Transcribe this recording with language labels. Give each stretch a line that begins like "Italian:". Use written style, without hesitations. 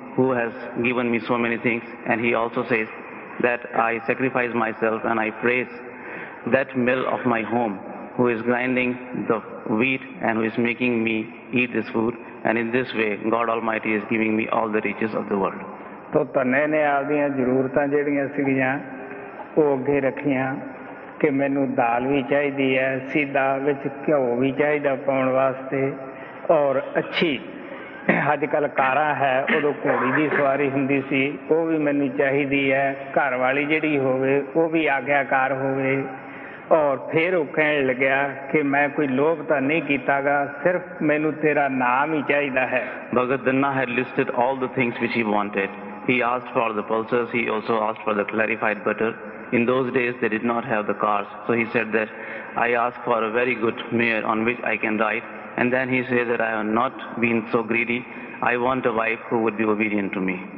English: who has given me so many things, and he also says that I sacrifice myself and I praise that mill of my home who is grinding the wheat and who is making me eat this food, and in this way God Almighty is giving me all the riches of the world.
Punjabi: So, ਕਿ ਮੈਨੂੰ ਦਾਲ ਵੀ ਚਾਹੀਦੀ ਹੈ, ਸਿੱਧਾ ਵਿੱਚ ਘਿਓ ਵੀ ਚਾਹੀਦਾ ਪਾਉਣ ਵਾਸਤੇ, ਔਰ ਅੱਛੀ ਅੱਜ ਕੱਲ੍ਹ ਕਾਰਾਂ ਹੈ ਉਦੋਂ ਘੋੜੀ ਦੀ ਸਵਾਰੀ ਹੁੰਦੀ ਸੀ, ਉਹ ਵੀ ਮੈਨੂੰ ਚਾਹੀਦੀ ਹੈ, ਘਰ ਵਾਲੀ ਜਿਹੜੀ ਹੋਵੇ ਉਹ ਵੀ ਆਗਿਆਕਾਰ ਹੋਵੇ. ਔਰ ਫਿਰ ਉਹ ਕਹਿਣ ਲੱਗਿਆ ਕਿ ਮੈਂ ਕੋਈ ਲੋਭ ਤਾਂ ਨਹੀਂ ਕੀਤਾ ਗਾ, ਸਿਰਫ ਮੈਨੂੰ ਤੇਰਾ ਨਾਮ ਹੀ ਚਾਹੀਦਾ ਹੈ.
English: ਭਗਤ ਦੰਨਾ ਹੈ listed all the things which he wanted. He asked for the pulses, he also asked for the clarified butter. In those days, they did not have the cars. So he said that, I ask for a very good mare on which I can ride. And then he said that, I have not been so greedy. I want a wife who would be obedient to me.